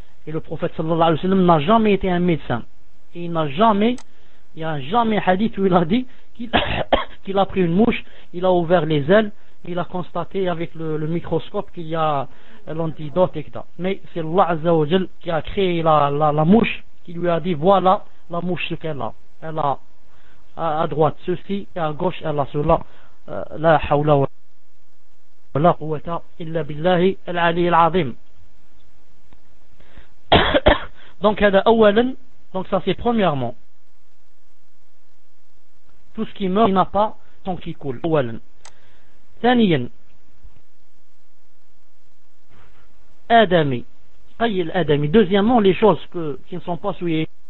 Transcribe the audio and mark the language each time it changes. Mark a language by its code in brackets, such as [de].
[fr] Et le prophète sallallahu alayhi wa sallam n'a jamais été un médecin, et il n'y a jamais un hadith où il a dit qu'il a pris une mouche, il a ouvert les ailes, il a constaté avec le microscope qu'il y a l'antidote etc. Mais c'est Allah azza wa jal qui a créé la mouche, qui lui a dit voilà la mouche ce qu'elle a, elle a à droite ceci et à gauche elle a cela. [ar] La hawla wa ولا قوة إلا بالله العلي العظيم. Donc هذا أولا. [fr] Donc ça c'est premièrement. Tout ce qui meurt, il n'a pas tant qu'il coule. [ar] أولا. ثانيا. آدمي. قيل آدمي. [fr] Deuxièmement, les choses que, qui ne sont pas souillées.